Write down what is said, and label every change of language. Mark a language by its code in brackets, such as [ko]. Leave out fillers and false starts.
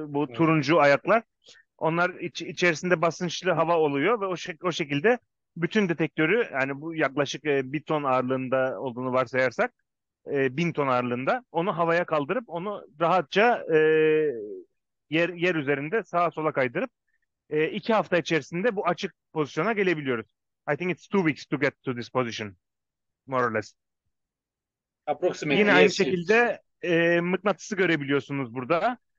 [tr] Bu turuncu ayaklar. Onlar içerisinde basınçlı hava oluyor ve o şekilde bütün detektörü yani bu yaklaşık 1 ton ağırlığında olduğunu varsayarsak 1000 ton ağırlığında onu havaya kaldırıp onu rahatça yer üzerinde sağa sola kaydırıp 2 hafta içerisinde bu açık pozisyona gelebiliyoruz. [en] I think it's 2 weeks to get to this position, more or less. Approximately, [tr] Yine aynı [en] yes. [tr] şekilde mıknatısı görebiliyorsunuz burada.